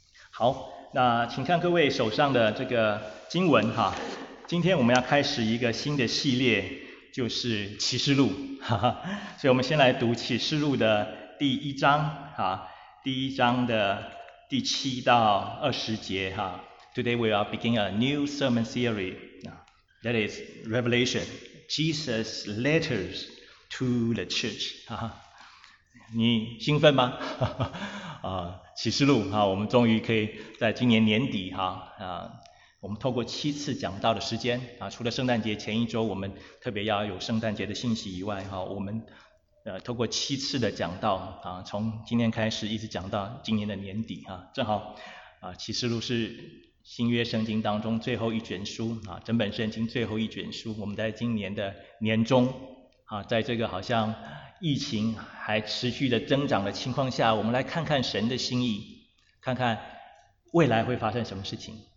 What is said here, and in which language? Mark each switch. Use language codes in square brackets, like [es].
[zh] 好，那请看各位手上的这个经文哈。今天我们要开始一个新的系列，就是启示录，哈哈，所以我们先来读启示录的第一章，哈，第一章的第七到二十节，哈。 [en] Today we are beginning a new sermon series, that is Revelation, Jesus' letters to the church, [zh] 哈哈，你兴奋吗？哈哈，啊，启示录，哈，我们终于可以在今年年底，哈，啊。我们透过七次讲道的时间啊，除了圣诞节前一周我们特别要有圣诞节的信息以外哈，我们透过七次的讲道啊，从今天开始一直讲到今年的年底啊，正好啊，启示录是新约圣经当中最后一卷书啊，整本圣经最后一卷书，我们在今年的年中啊，在这个好像疫情还持续的增长的情况下，我们来看看神的心意，看看未来会发生什么事情。